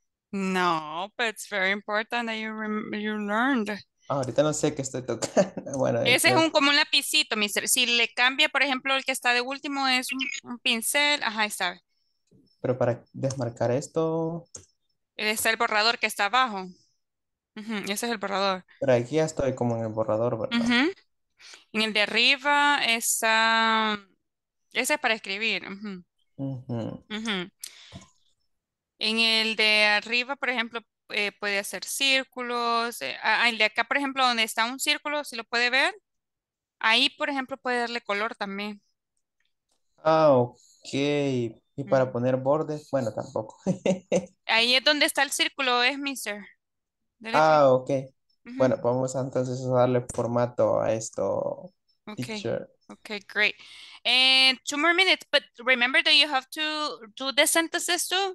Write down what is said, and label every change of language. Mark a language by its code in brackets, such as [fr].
[en] No, but it's very important that you learned. [es] Ahorita no sé qué estoy tocando. Bueno, ese entonces... es un como un lapicito, mister. Si le cambia, por ejemplo, el que está de último es un pincel. Ajá, está. Pero para desmarcar esto... Está el borrador que está abajo. Uh-huh. Ese es el borrador. Pero aquí ya estoy como en el borrador, ¿verdad? En el de arriba está... Ese es para escribir. En el de arriba, por ejemplo, puede hacer círculos. El de acá, por ejemplo, donde está un círculo, si lo puede ver. Ahí, por ejemplo, puede darle color también. Ah, ok. Y para poner bordes, bueno, tampoco. Ahí es donde está el círculo, es mister. Ah, ok. Bueno, vamos entonces a darle formato a esto. [en] Okay, great. And 2 more minutes, but remember that you have to do the sentences too.